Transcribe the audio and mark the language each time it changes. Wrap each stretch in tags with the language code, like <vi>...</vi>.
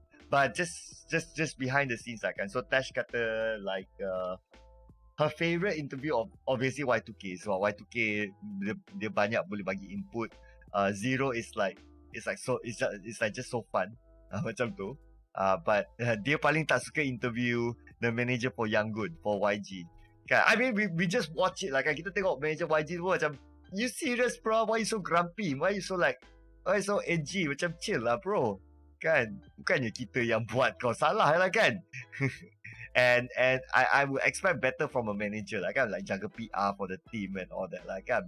<en>But just behind the scenes lah kan. So Tash kata like her favorite interview of obviously Y2K.</en> <ms>So Y2K dia banyak boleh bagi input.</ms> <en>Zero is like so fun.</en> <ms>Macam tu.</ms> <en>But</en> <ms>dia paling tak suka</ms> <en>interview the manager for Young Good, for YG. Kan? I mean, we just watch it lah kan.</en> <ms>Kita tengok manager YG tu macam,</ms> <en>you serious bro? Why you so grumpy? Why you so like, why you so edgy?</en> <ms>Macam chill lah bro. Kan? Bukannya kita yang buat kau salah lah kan?</ms> <en>And I would expect better from a manager lah kan. Like jaga PR for the team and all that lah kan.</en>